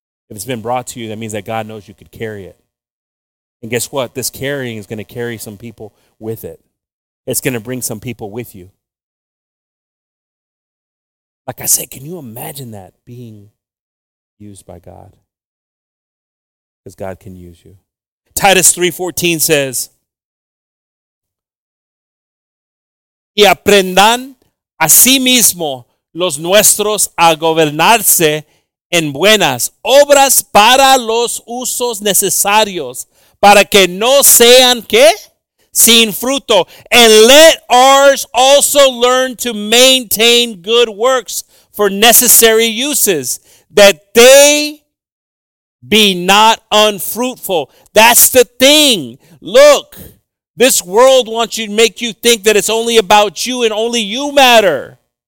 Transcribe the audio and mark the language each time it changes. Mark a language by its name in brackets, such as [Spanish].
[English] If it's been brought to you, that means that God knows you could carry it. And guess what? This carrying is going to carry some people with it. It's going to bring some people with you. Like I said, can you imagine that being used by God? Because God can use you. Titus 3:14 says, [Spanish] y aprendan a sí mismo los nuestros a gobernarse en buenas obras para los usos necesarios, para que no sean, ¿qué? Sin fruto. [English] And let ours also learn to maintain good works for necessary uses, that they be not unfruitful. That's the thing. Look, this world wants you to make you think that it's only about you and only you matter.